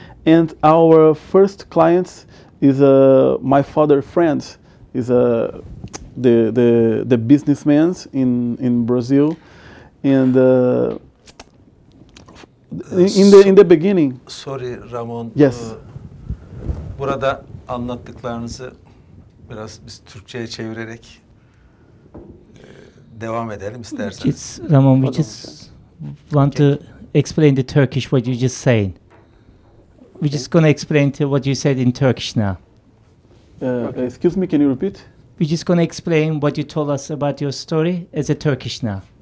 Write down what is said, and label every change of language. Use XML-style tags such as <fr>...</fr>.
<en>And our first clients is my father's friends, is the businessman in Brazil, and in the beginning. Sorry, Ramon. Yes.</en> <tr>Burada anlattıklarınızı biraz biz Türkçe'ye çevirerek devam edelim isterseniz.</tr> <en>It's Ramon. We just want to explain the Turkish what you just saying. We're just going to explain to what you said in Turkish now. Okay. Excuse me, can you repeat? We're just going to explain what you told us about your story as a Turkish now.</en>